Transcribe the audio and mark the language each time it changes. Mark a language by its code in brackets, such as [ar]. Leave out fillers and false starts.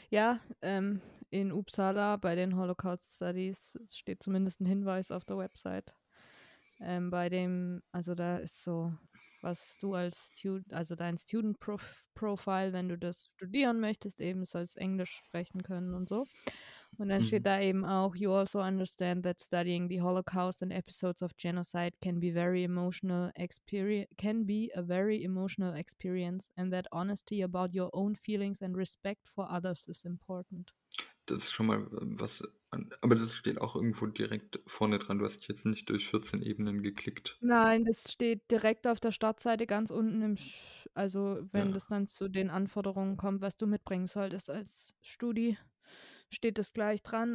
[de] Ja, in Uppsala bei den Holocaust Studies steht zumindest ein Hinweis auf der Website. Bei dem, also da ist so, was du als Student, also dein Student Profile, wenn du das studieren möchtest, eben sollst Englisch sprechen können und so. Und dann steht da eben auch, [en] you also understand that studying the Holocaust and episodes of genocide can be a very emotional experience and that honesty about your own feelings and respect for others is important. [de] Das ist schon mal was, aber das steht auch irgendwo direkt vorne dran. Du hast jetzt nicht durch 14 Ebenen geklickt. Nein, das steht direkt auf der Startseite ganz unten im also wenn das dann zu den Anforderungen kommt, was du mitbringen solltest als Studi, steht das gleich dran.